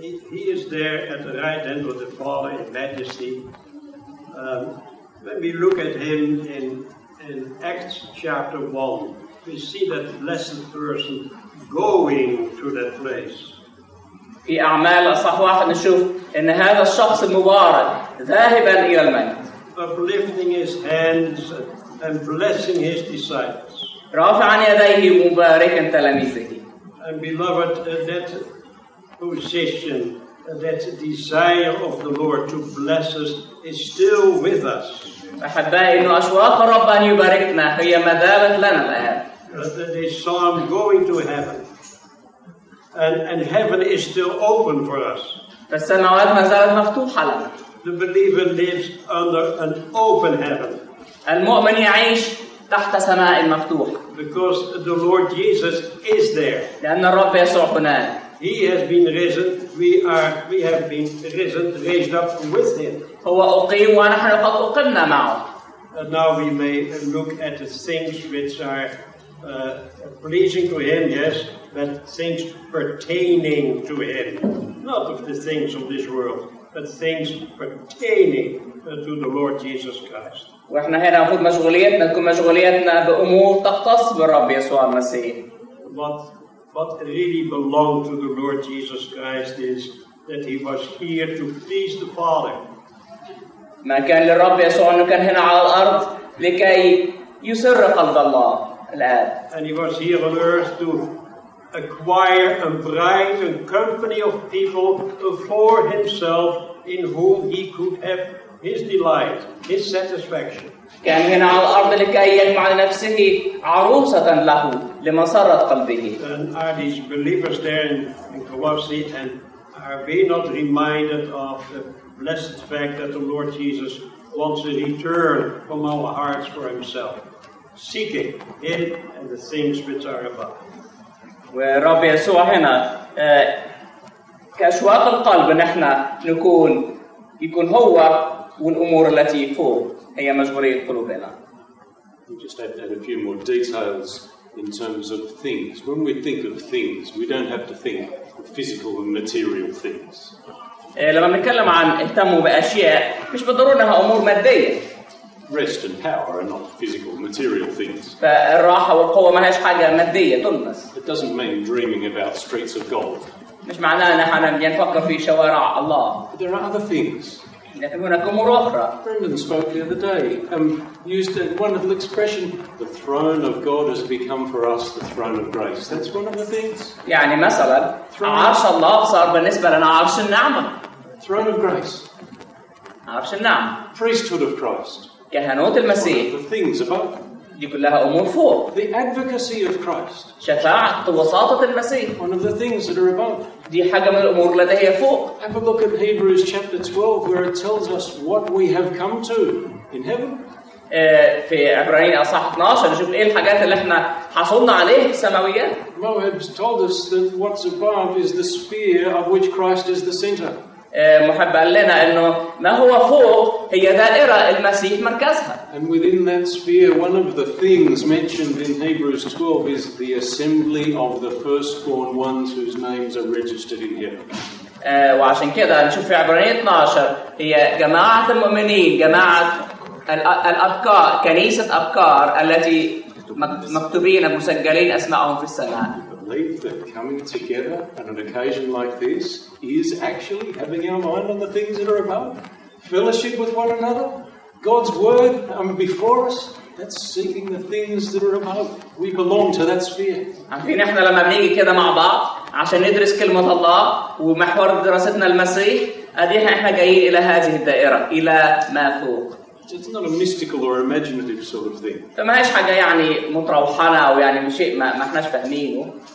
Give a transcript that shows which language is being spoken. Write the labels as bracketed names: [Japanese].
[English] He is there at the right hand of the Father in majesty. When we look at him in Acts chapter 1, we see that blessed person going to that place. [Arabic] في أعمال أصح واحد نشوف إن هذا الشخص المبارك ذاهبا إلى الميت. [English] Uplifting his hands and blessing his disciples. [Arabic] رافعا يديه مباركا تلاميذه. [English] And beloved, that possession, that desire of the Lord to bless us is still with us. [Arabic] أحبائي إنه أشواق الرب أن يباركنا هي ما زالت لنا الآن. [English] This psalm going to heaven, and heaven is still open for us. [Arabic] فالسماوات ما زالت مفتوحة لنا. [English] The believer lives under an open heaven. [Arabic] المؤمن يعيش تحت سماء مفتوح. [English] Because the Lord Jesus is there. [Arabic] لأن الرب يسوع هناك. [English] He has been risen. We have been raised up with him. [Arabic] هو أقيم ونحن قد أقمنا معه. [English] And now we may look at the things which are pleasing to him, yes, but things pertaining to him, not of the things of this world, but things pertaining to the Lord Jesus Christ. [Arabic] وإحنا هنا نأخذ مشغوليتنا تكون مشغوليتنا بأمور تختص بالرب يسوع المسيح. [English] What really belonged to the Lord Jesus Christ is that he was here to please the Father. [Arabic] ما كان للرب يسوع أنه كان هنا على الأرض لكي يسر قلب الله الآب. [English] And he was here on earth to acquire a bride and company of people for himself in whom he could have his delight, his satisfaction. [Arabic] كان هنا على الأرض لكي يجمع لنفسه عروسة له لمسرة قلبه. [English] And are these believers there in Colossae, and are we not reminded of the blessed fact that the Lord Jesus wants a return from our hearts for himself, seeking him and the things which are above. [Arabic] ورب يسوع هنا كأشواق القلب نحن نكون يكون هو والأمور التي فوق هي مشغولية قلوبنا. [English] We just have to add a few more details in terms of things. When we think of things, we don't have to think of physical and material things. [Arabic] لما نتكلم عن اهتموا بأشياء مش بالضرورة انها أمور مادية. [English] Rest and power are not physical, material things. [Arabic] فالراحة والقوة ما هيش حاجة مادية تلمس. [English] It doesn't mean dreaming about streets of gold. [Arabic] مش معناه ان احنا نفكر في شوارع الله. [English] But there are other things. [Arabic] لكن هناك أمور أخرى. [English] Brendan spoke the other day and used a wonderful expression, the throne of God has become for us the throne of grace. That's one of the things. [Arabic] يعني مثلا عرش الله صار بالنسبة لنا عرش النعمة. [English] Throne of grace. [Arabic] عرش النعمة. [English] Priesthood of Christ. [Arabic] كهنوت المسيح. [English] One of the things above. [Arabic] دي كلها أمور فوق. [English] The advocacy of Christ. [Arabic] شفاعة وساطة المسيح. [English] One of the things that are above. [Arabic] دي حاجة من الأمور التي هي فوق. [English] Have a look at Hebrews chapter 12 where it tells us what we have come to in heaven. [Arabic] في عبرانيين أصحاح 12 نشوف إيه الحاجات اللي إحنا حصلنا عليه سماويًا. [English] Moab told us that what's above is the sphere of which Christ is the center. [Arabic] محب قال لنا إنه ما هو فوق هي دائرة المسيح مركزها. [English] And within that sphere, one of the things mentioned in Hebrews 12 is the assembly of the firstborn ones whose names are registered in heaven. [Arabic] وعشان كده نشوف في عبرانيين 12 هي جماعة المؤمنين جماعة الأبكار كنيسة أبكار التي مكتوبين مسجلين أسماءهم في السماء. [English] That coming together on an occasion like this is actually having our mind on the things that are above, fellowship with one another, God's word before us, that's seeking the things that are above. We belong to that sphere. [Arabic] عارفين احنا لما بنيجي كده مع بعض عشان ندرس كلمة الله ومحور دراستنا المسيح اديها احنا جايين الى هذه الدائرة الى ما فوق. [English] It's not a mystical or imaginative sort of thing. [Arabic] فما هيش حاجة يعني متروحنا أو يعني شيء ما احناش فاهمينه.